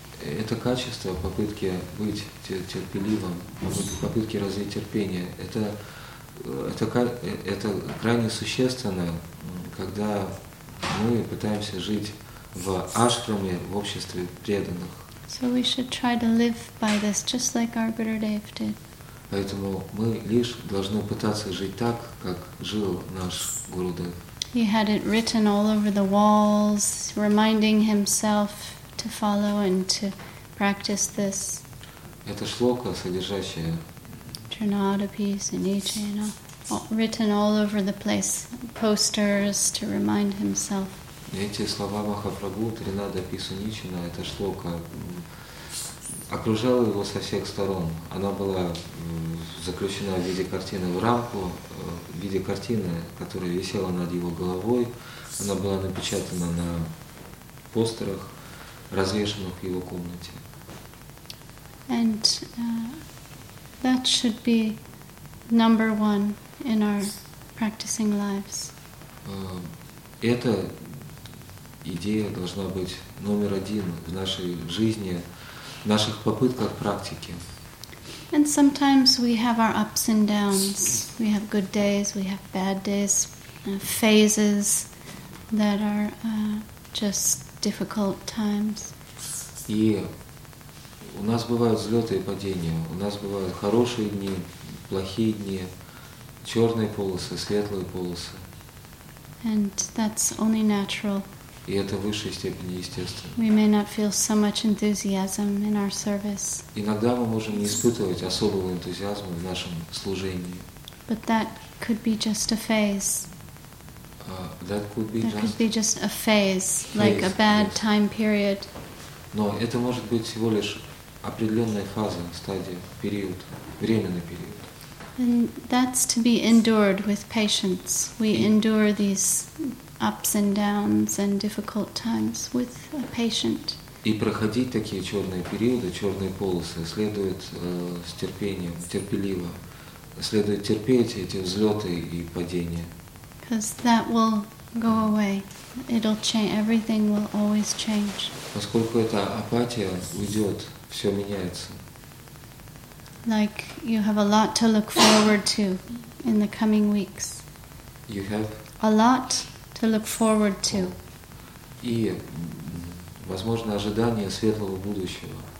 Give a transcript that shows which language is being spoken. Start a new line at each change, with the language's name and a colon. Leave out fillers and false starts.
Russian: Это качество попытки быть терпеливым, попытки развить терпение, это крайне существенно, когда мы пытаемся жить в ашраме, в обществе преданных.
English: So we should try to live by this, just like our Gurudev did.
Russian: Поэтому мы лишь должны пытаться жить так, как жил наш Гурудев.
English: He had it written all over the walls, reminding himself to follow and to practice this.
Russian: Это шлока, содержащая
English: Trinadapis and Nichayana, written all over the place, posters to remind himself.
Russian: Эти слова Махапрабху, Тринадапису Ничина, эта шлока окружала его со всех сторон. Она была заключена в виде картины в рамку, в виде картины, которая висела над его головой. Она была напечатана на постерах, развешанных в его комнате.
English: And that should be number one in our practicing lives.
Russian: Это идея должна быть номер один в нашей жизни, в наших попытках практики.
English: And sometimes we have our ups and downs. We have good days, we have bad days, phases that are just difficult times.
Russian: И у нас бывают взлеты и падения. У нас бывают хорошие дни, плохие дни, черные полосы, светлые полосы.
English: And that's only natural.
Russian: И это в высшей степени естественно.
English: We may not feel so much enthusiasm in our service.
Russian: Иногда мы можем не испытывать особого энтузиазма в нашем служении.
English: But that could be just a phase. That could be, that just, could be just a phase, like a bad yes. time period.
Russian: Но это может быть всего лишь определенная фаза, стадия, период, временный период.
English: And that's to be endured with patience. We endure these ups and downs and difficult times with a patient.
Russian: И проходить такие черные периоды, черные полосы следует с терпением, терпеливо. Следует терпеть эти взлеты и падения.
English: Because that will go away. It'll change. Everything will always change.
Russian: Поскольку эта апатия уйдет, все меняется.
English: Like you have a lot to look forward to in the coming weeks. You have a lot to look forward to.
Russian: И, возможно, ожидание светлого будущего.